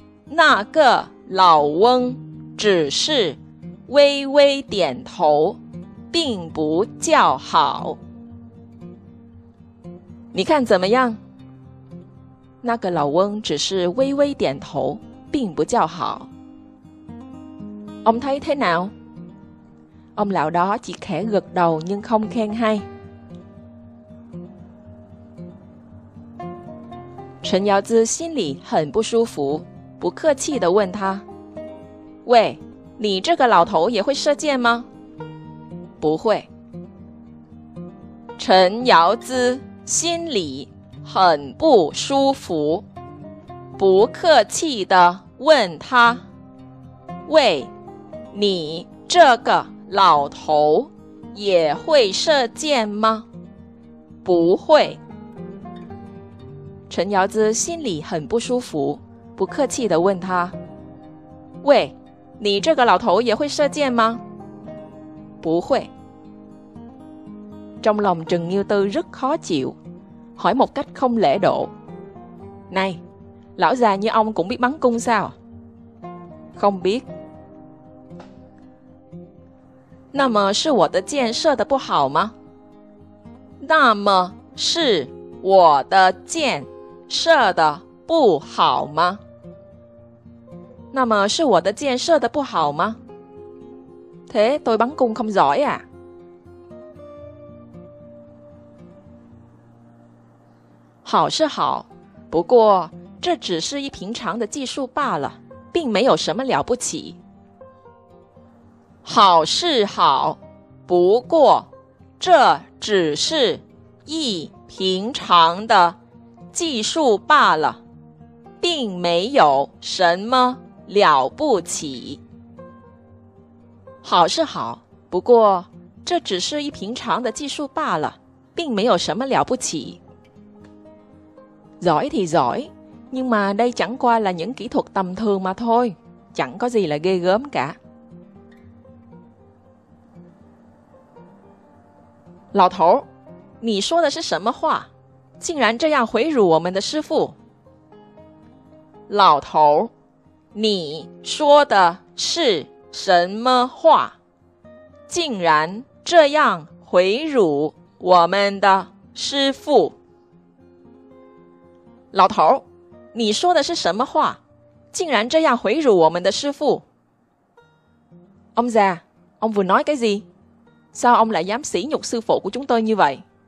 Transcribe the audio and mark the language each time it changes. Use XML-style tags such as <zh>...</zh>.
<zh>那个老翁只是微微点头，并不叫好。你看怎么样？那个老翁只是微微点头，并不叫好。</zh> <vi>Ông thấy thế nào? Ông lão đó chỉ khẽ gật đầu nhưng không khen hay.</vi> <zh>陈瑶姿心里很不舒服，不客气地问他： 喂，你这个老头也会射箭吗？不会。陈瑶姿心里很不舒服，不客气地问他：喂，你这个老头也会射箭吗？不会。陈瑶姿心里很不舒服，不客气地问他：喂，你这个老头也会射箭吗？不会。</zh> <vi>Trong lòng Trần Nghiêu Tư rất khó chịu, hỏi một cách không lễ độ. Này, lão già như ông cũng biết bắn cung sao? Không biết.</vi> <zh>那么是我的箭射得不好吗？那么是我的箭射得不好吗？那么是我的箭射得不好吗？</zh> <vi>Thế tôi bắn cung không giỏi à?</vi> <zh>好是好，不过这只是一平常的技术罢了，并没有什么了不起。好是好，不过这只是一平常的技术罢了，并没有什么了不起。好是好，不过这只是一平常的技术罢了，并没有什么了不起。</zh> <vi>Giỏi thì giỏi, nhưng mà đây chẳng qua là những kỹ thuật tầm thường mà thôi, chẳng có gì là ghê gớm cả.</vi> <zh>Lão thấu, 你说的是什么话?竟然这样回辱我们的师父。 Lão thấu, 你说的是什么话? 竟然这样回辱我们的师父。老头，你说的是什么话？竟然这样回辱我们的师父。</zh> <vi>Ông già, ông vừa nói cái gì? Sao ông lại dám sỉ nhục sư phụ của chúng tôi như vậy?</vi>